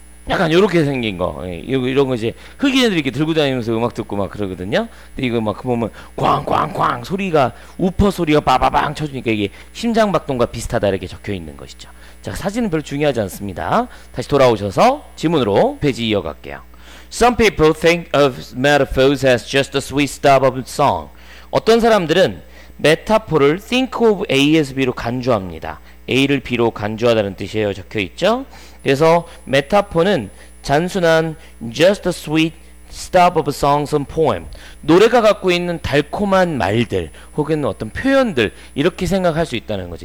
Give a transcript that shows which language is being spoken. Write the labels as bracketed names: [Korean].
[Korean] 약간 이렇게 생긴 거 이런 거 이제 흑인애들이 이렇게 들고 다니면서 음악 듣고 막 그러거든요. 근데 이거 막 그 보면 꽝꽝꽝 소리가 우퍼 소리가 빠바방 쳐주니까 이게 심장박동과 비슷하다 이렇게 적혀 있는 것이죠. 자 사진은 별로 중요하지 않습니다. 다시 돌아오셔서 지문으로 페이지 이어갈게요. [English] Some people think of metaphors as just a sweet stop of song. [Korean] 어떤 사람들은 메타포를 [English] think of A as B [Korean] 로 간주합니다. A를 B로 간주하다는 뜻이에요. 적혀 있죠. 그래서 메타포는 잔순한 [English] just a sweet stop of songs and poems [Korean] 노래가 갖고 있는 달콤한 말들 혹은 어떤 표현들 이렇게 생각할 수 있다는 거죠.